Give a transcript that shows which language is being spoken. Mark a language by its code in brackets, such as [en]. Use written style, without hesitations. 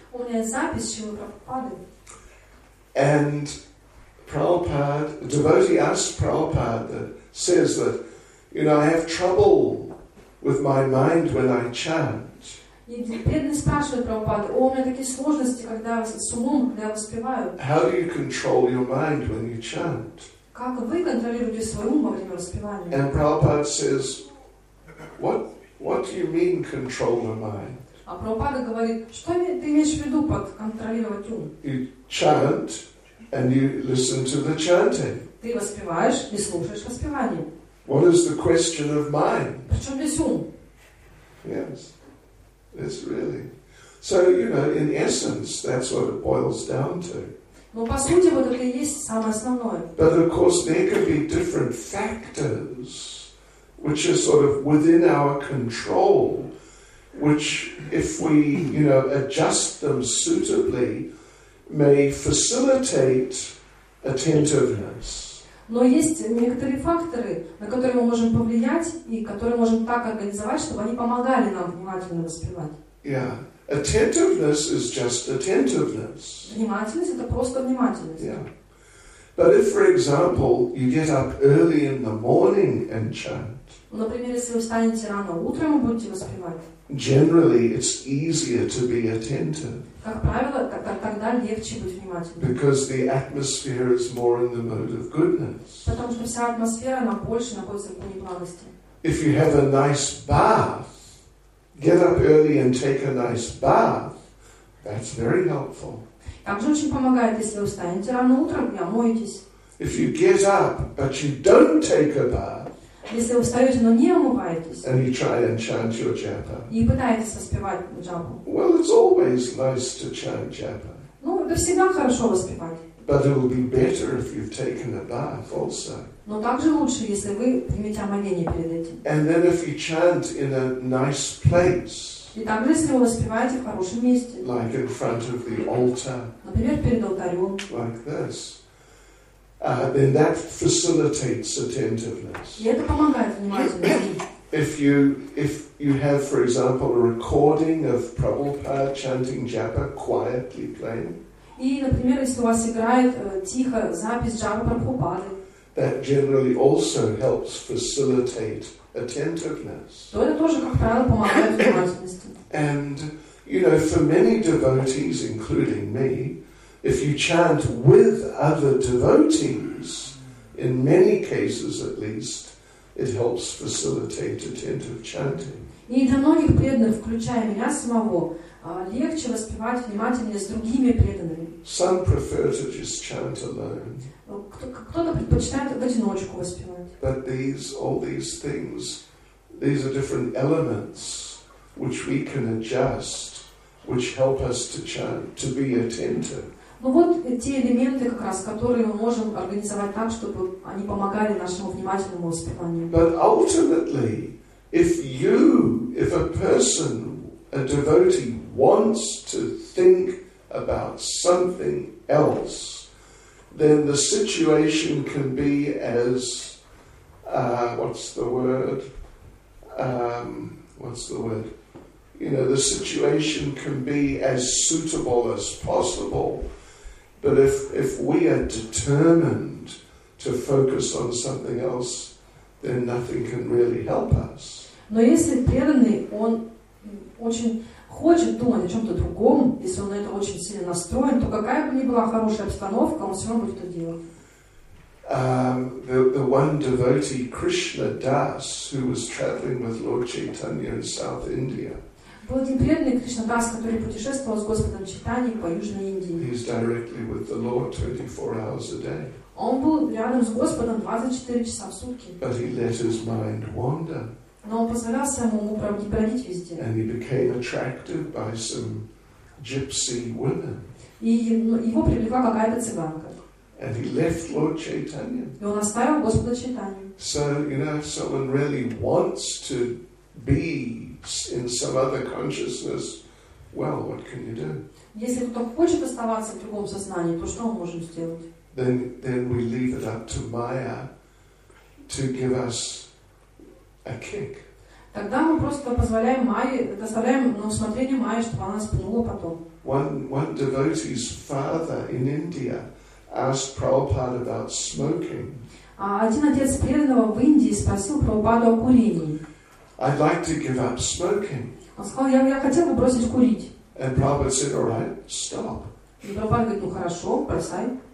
[ru] У меня запись Шрилы Прабхупады. [en] And Prabhupada, a devotee asks Prabhupada, that says that, you know, I have trouble with my mind when I chant. [ru] И преданный спрашивает Прабхупада, о, у меня такие сложности, когда с умом, когда я воспеваю. [en] How do you control your mind when you chant? [ru] Как вы контролируете свой ум во время воспевания? [en] And Prabhupada says, What do you mean, control the mind? [ru] А Прабхупада говорит, что ты имеешь в виду под контролировать ум? [en] You chant and you listen to the chanting. [ru] Ты воспеваешь и слушаешь воспевание. [en] What is the question of mind? [ru] При чем здесь ум? [en] Yes, it's really. So you know, in essence, that's what it boils down to. [ru] Но по сути вот это и есть самое основное. [en] But of course, there could be different factors. which is sort of within our control, which if we, you know, adjust them suitably, may facilitate attentiveness. [ru] Но есть некоторые факторы, на которые мы можем повлиять и которые можем так организовать, чтобы они помогали нам внимательно воспевать. [en] Yeah. Attentiveness is just attentiveness. [ru] Внимательность — это просто внимательность. [en] Yeah. But if, for example, you get up early in the morning and chant. [ru] Например, если вы встанете рано утром и будете воспевать. [en] Generally, it's easier to be attentive. [ru] Как правило, тогда легче быть внимательным. [en] Because the atmosphere is more in the mode of goodness. [ru] Потому что вся атмосфера она больше находится в мире благости. [en] If you have a nice bath, get up early and take a nice bath. That's very helpful. [ru] Также очень помогает, если вы встанете рано утром и омоетесь. [en] If you get up but you don't take a bath. [ru] Если вы встаете, но не омываетесь. [en] And you try and chant your japa. [ru] И пытаетесь воспевать джапу. [en] Well, it's always nice to chant japa. [ru] Ну, это всегда хорошо воспевать. [en] But it will be better if you've taken a bath also. [ru] Но также лучше, если вы примете омовение перед этим. [en] And then if you chant in a nice place. [ru] И также, если вы воспеваете в хорошем месте. [en] Like in front of the altar. [ru] Например, перед алтарем. [en] Like this. Then that facilitates attentiveness. [ru] И это помогает внимательности. [en] If you have, for example, a recording of Prabhupada chanting japa quietly playing. [ru] И, например, если у вас играет тихо запись джапы Прабхупады. [en] That generally also helps facilitate attentiveness. [ru] То это тоже, как правило, помогает внимательности. [en] And, you know, for many devotees, including me, if you chant with other devotees, in many cases at least, it helps facilitate attentive chanting. [ru] И для многих преданных, включая меня самого, легче воспевать внимательнее с другими преданными. [en] Some prefer to just chant alone. [ru] Кто-то предпочитает в одиночку воспевать. [en] But all these things, these are different elements which we can adjust, which help us to chant, to be attentive. [ru] Ну вот те элементы как раз, которые мы можем организовать так, чтобы они помогали нашему внимательному воспеванию. [en] But ultimately, if a devotee wants to think about something else, then the situation can be the situation can be as suitable as possible. But if we are determined to focus on something else, then nothing can really help us. [ru] Но если преданный, он очень хочет думать о чем-то другом, если он на это очень сильно настроен, то какая бы ни была хорошая обстановка, он все равно будет это делать. [en] The one devotee, Krishna Das, who was traveling with Lord Chaitanya in South India. [ru] Был один преданный Кришна Дас, который путешествовал с Господом Чайтаньей по Южной Индии. [en] He's directly with the Lord 24 hours a day. [ru] Он был рядом с Господом 24 часа в сутки. [en] But he let his mind wander. [ru] Но он позволял своему уму бродить везде. [en] And he became attracted by some gypsy women. [ru] И его привлекла какая-то цыганка. [en] And he left Lord Chaitanya. [ru] И он оставил Господа Чайтанью. [en] So, you know, if someone really wants to be in some other consciousness, well, what can you do? [ru] Если кто хочет оставаться в другом сознании, то что мы можем сделать? [en] Then we leave it up to Maya to give us a kick. [ru] Тогда мы просто позволяем Майе, доставляем на усмотрение Майе, чтобы она нас пнула потом. [en] One devotee's father in India asked Prabhupada about smoking. [ru] Один отец преданного в Индии спросил Прабхупаду о курении. [en] I'd like to give up smoking. [ru] Он сказал, я хотел бы бросить курить. [en] And Prabhupada said, all right, stop. [ru] И Прабхупада говорит, ну хорошо, бросай.